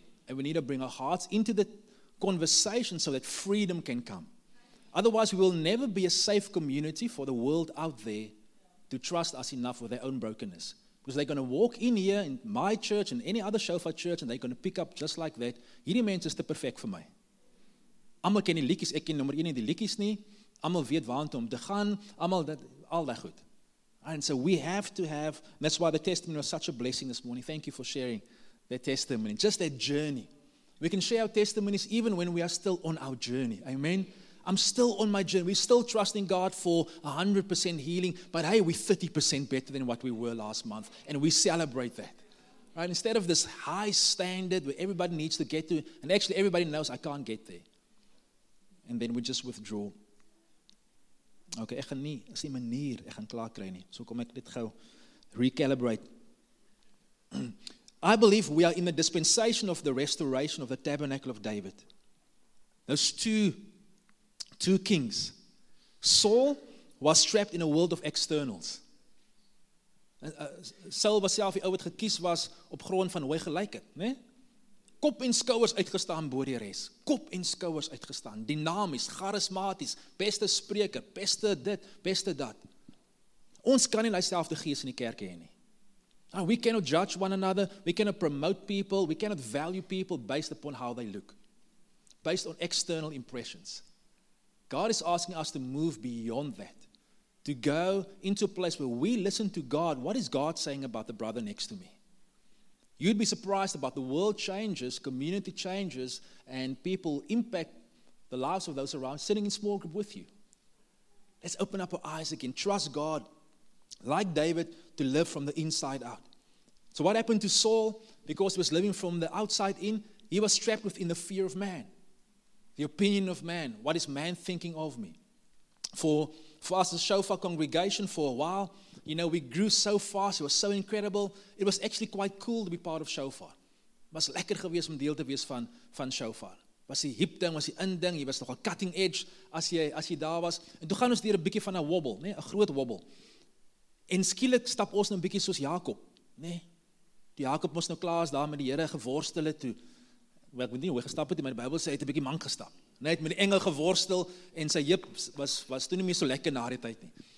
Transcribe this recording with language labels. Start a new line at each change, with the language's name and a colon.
English: And we need to bring our hearts into the conversation so that freedom can come. Otherwise, we will never be a safe community for the world out there to trust us enough with their own brokenness. Because they're going to walk in here, in my church, and any other shofar church, and they're going to pick up just like that.
Afrikaans: Hierdie mens is te perfect vir my. Almal ken die liedjies, ek ken nommer 1 die liedjies nie. Almal weet waar om te gaan, almal dat, al die goed.
English: And so we have to have, and that's why the testimony was such a blessing this morning. Thank you for sharing that testimony, just that journey. We can share our testimonies even when we are still on our journey. Amen. I'm still on my journey. We're still trusting God for 100% healing. But hey, we're 30% better than what we were last month. And we celebrate that. Right? Instead of this high standard where everybody needs to get to, and actually everybody knows I can't get there. And then we just withdraw.
Afrikaans: Okay, ek gaan nie, is die manier, ek gaan klaar kry nie. So kom ek dit gou recalibrate.
English: I believe we are in the dispensation of the restoration of the tabernacle of David. Those two kings. Saul was trapped in a world of externals.
Afrikaans: Saul was self die ou wat gekies was op grond van hoe gelyk het, né? Kop en skouers uitgestaan bo die res. Kop en skouers uitgestaan. Dinamies, charismaties, beste spreker, beste dit, beste dat. Ons kan nie dieselfde gees in die kerk hê nie.
English: Now, we cannot judge one another. We cannot promote people. We cannot value people based upon how they look. Based on external impressions. God is asking us to move beyond that. To go into a place where we listen to God. What is God saying about the brother next to me? You'd be surprised about the world changes, community changes, and people impact the lives of those around sitting in small group with you. Let's open up our eyes again. Trust God, like David, to live from the inside out. So what happened to Saul? Because he was living from the outside in, he was trapped within the fear of man. The opinion of man. What is man thinking of me? For us as shofar congregation for a while, you know, we grew so fast. It was so incredible. It was actually quite cool to be part of shofar.
Afrikaans: It was lekker geweest om deel te wees van shofar. Was die hip ding, was die in ding. Jy was nogal cutting edge as jy daar was. En toe gaan ons deur 'n bietjie van 'n wobble, nê, 'n groot wobble. En skielik stap ons nou 'n bietjie soos Jakob, nê. Die Jakob was nou klaar as daar met die Here geworstel het toe. Ek moet nie hoe gestap het, maar die Bybel sê hy het 'n bietjie mank gestap. Hy het met die engel geworstel en sy heup was toe nie meer so lekker na die tyd nie.